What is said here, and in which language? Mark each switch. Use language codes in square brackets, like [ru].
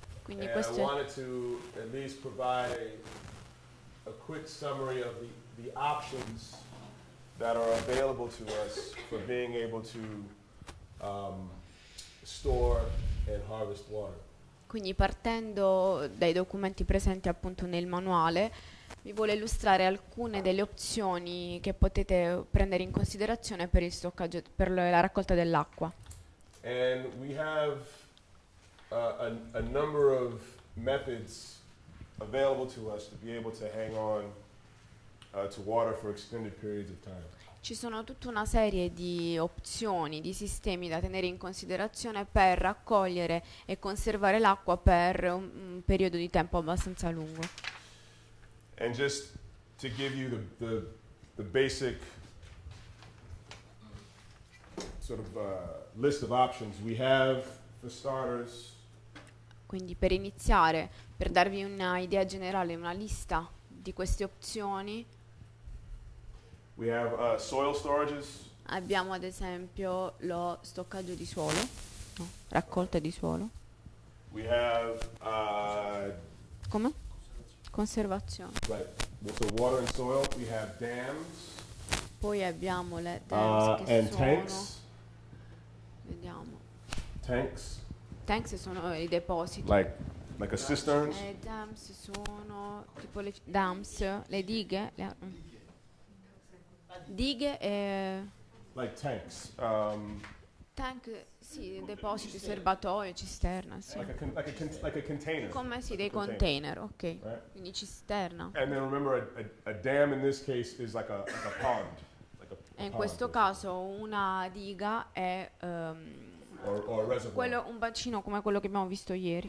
[en] And I wanted to at least provide a quick summary of the options that are available to us for being able to store and harvest water. [it] Quindi partendo dai documenti presenti appunto nel manuale, vi vuole illustrare alcune delle opzioni che potete prendere in considerazione per il stoccaggio, per la raccolta dell'acqua. [en] And we have a number of methods available to us to be able to hang on to water for extended periods of time. [it] Ci sono tutta una serie di opzioni, di sistemi da tenere in considerazione per raccogliere e conservare l'acqua per un periodo di tempo abbastanza lungo. [en] And just to give you the basic sort of list of options, we have for starters. [it] Quindi per iniziare, per darvi un'idea generale, una lista di queste opzioni. [en] We have soil storages. [it] Abbiamo ad esempio lo stoccaggio di suolo, no, raccolta di suolo. [en] We have [it] come? Conservazione. [en] Right. So water and soil, we have dams. [it] Poi abbiamo le dams che [en] and [it] sono [en] tanks. [it] Vediamo. [en] Tanks. [it] Tanks sono i depositi. [en] Like a cistern. [it] Le dams sono tipo le dams, le dighe. Dighe e. [en] Like tanks. [it] Tank, sì, depositi, cisterna. Serbatoio, cisterna, sì. [en] Like a container. [it] Come [en] like [it] sì, dei container, ok. [en] Right? [it] Quindi cisterna. [en] And then remember, a dam in this case is like a pond. [it] E in questo caso una diga è. [en] Or a reservoir. [it] Quello un bacino come quello che abbiamo visto ieri.